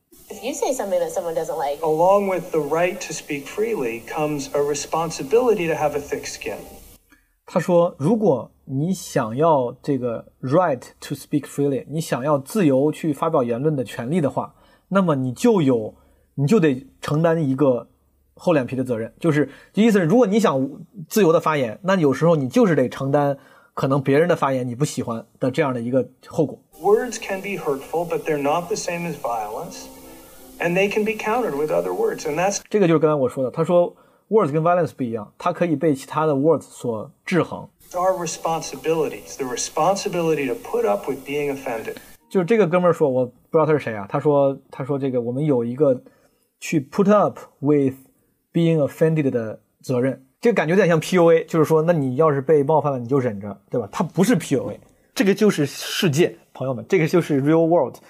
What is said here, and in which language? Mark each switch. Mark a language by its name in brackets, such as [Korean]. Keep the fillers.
[English] If you say something that someone doesn't like, along with the right to speak freely comes a responsibility to have a thick skin. [Chinese] 他说，如果你想要这个 [English] right to speak freely， [Chinese] 你想要自由去发表言论的权利的话，那么你就有，你就得承担一个厚脸皮的责任。就是，意思是如果你想自由的发言，那有时候你就是得承担可能别人的发言你不喜欢的这样的一个后果。 [English] Words can be hurtful, but they're not the same as violence. and they can be countered with other words. And that's [Chinese] 这个就是刚才我说的，他说 words 跟 violence 不一样，它可以被其他的 words 所制衡。 [English] Our responsibility, it's the responsibility to put up with being offended. [Chinese] 就是这个哥们儿说，我不知道他是谁啊。他说，他说这个我们有一个去 [English] put up with being offended [Chinese] 的责任。这个感觉有点像 PUA，就是说，那你要是被冒犯了，你就忍着，对吧？他不是 PUA，这个就是事件，朋友们，这个就是 [English] real world。